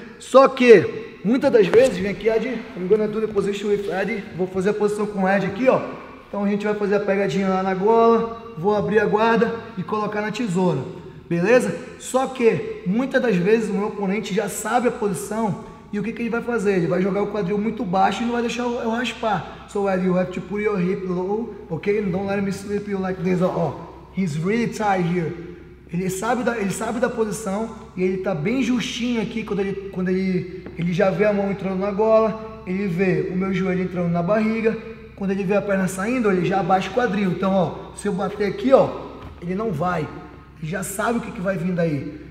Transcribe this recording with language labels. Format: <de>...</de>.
<pt>Só que muitas das vezes vem aqui Ed,</pt> <en>I'm gonna do the position with Ed,</en> <pt>vou fazer a posição com o Ed aqui, ó. Então a gente vai fazer a pegadinha lá na gola, vou abrir a guarda e colocar na tesoura, beleza? Só que muitas das vezes o meu oponente já sabe a posição e o que, que ele vai fazer? Ele vai jogar o quadril muito baixo e não vai deixar eu raspar.</pt> <en>So Ed, you have to put your hip low, okay? Don't let me slip you like this. Oh, he's really tight here.</en> <pt>Ele sabe da posição e ele tá bem justinho aqui quando ele já vê a mão entrando na gola, ele vê o meu joelho entrando na barriga, quando ele vê a perna saindo, ele já abaixa o quadril. Então, ó, se eu bater aqui, ó, ele não vai. Ele já sabe o que, que vai vir daí.</pt>